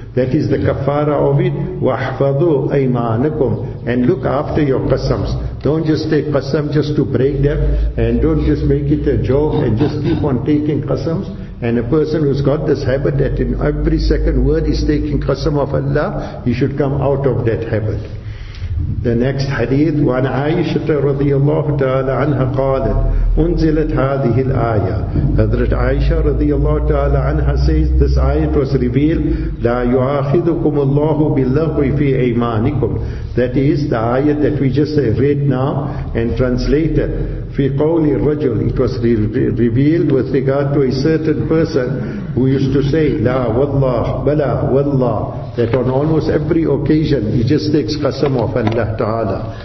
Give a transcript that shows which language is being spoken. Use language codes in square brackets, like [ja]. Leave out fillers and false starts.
[en] That is the kafara of it. [ar] وَاحْفَظُوا أَيْمَانَكُمْ. [en] And look after your qasams. Don't just take qasam just to break them, and don't just make it a joke and just keep on taking qasams. And a person who's got this habit that in every second word is taking qasam of Allah, he should come out of that habit. The next hadith, [ar] وعن عائشة رضي الله تعالى عنها قالت أنزلت هذه الآية. [en] Hazrat Aisha رضي الله تعالى عنها says this ayat was revealed, [ar] لا يؤاخذكم الله باللغو في أيمانكم. [en] That is the ayat that we just read now and translated. [ar] في قول الرجل. [en] It was revealed with regard to a certain person who used to say [ar] لا والله بلا والله, [en] that on almost every occasion he just takes qasam of Allah Ta'ala.